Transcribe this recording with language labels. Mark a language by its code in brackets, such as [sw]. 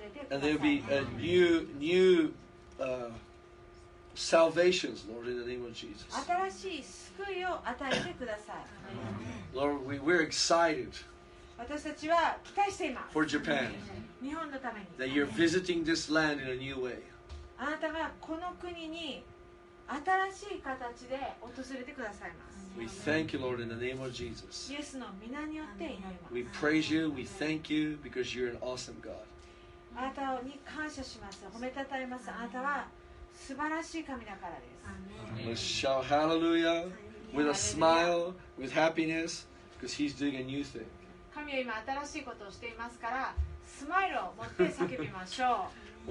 [en] And there'll be a new salvations, Lord, in the name of Jesus. [ja] 新しい救いを与えてください。 [en] Lord, we're excited. [ja] 私たちは期待しています。 [en] For Japan. [ja] 日本のために。 [en] That you're visiting this land in a new way. [ja] あなたがこの国に新しい形で訪れてくださいます。 [en] We thank you Lord in the name of Jesus. [ja] イエスの御名によって祈ります。 [en] We praise you, we thank you because you're an awesome God. [ja] あなたに感謝します、褒めたたえます。あなたは素晴らしい神だからです。 [en] We shout hallelujah with a smile, with happiness because he's doing a new thing. [ja] 神は今新しいことをしていますから、スマイルを持って叫びましょう。